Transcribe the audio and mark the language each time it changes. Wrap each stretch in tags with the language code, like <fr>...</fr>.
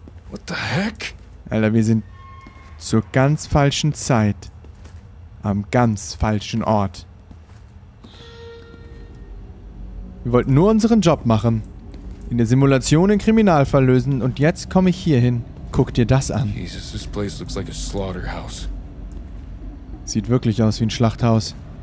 <en>What the heck?</en> <de>Alter, wir sind zur ganz falschen Zeit. Am ganz falschen Ort. Wir wollten nur unseren Job machen. In der Simulation den Kriminalfall lösen und jetzt komme ich hier hin. Guck dir das an.</de> <en>Jesus, this place looks like a slaughterhouse.</en> <de>Sieht wirklich aus wie ein Schlachthaus.</de>